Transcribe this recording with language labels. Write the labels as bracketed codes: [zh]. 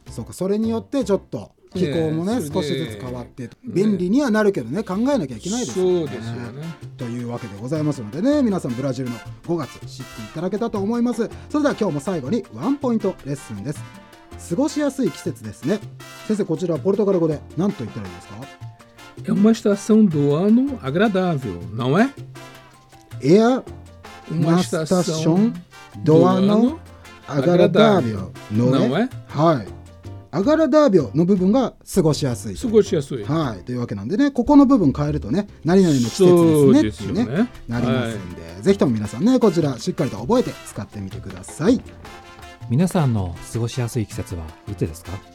[ja] そうか、それによってちょっと気候も ね少しずつ変わって便利にはなるけど ね考えなきゃいけないですよね。そうですよね。というわけでございますのでね、皆さんブラジルの5月知っていただけたと思います。それでは今日も最後にワンポイントレッスンです。過ごしやすい季節ですね。先生、こちらポルトガル語で何と言ったらいいですか。 [pt] É uma estação do ano agradável, não é? É uma estação do ano agradável, não é? [ja] はい。 agradável の部分が過ごしやすい。過ごしやすい。はい。というわけなんでね、ここの部分変えるとね、何々の季節ですね。そうですよね。なりますんで、ぜひとも皆さんね、こちらしっかりと覚えて使ってみてください。皆さんの過ごしやすい季節はいつですか、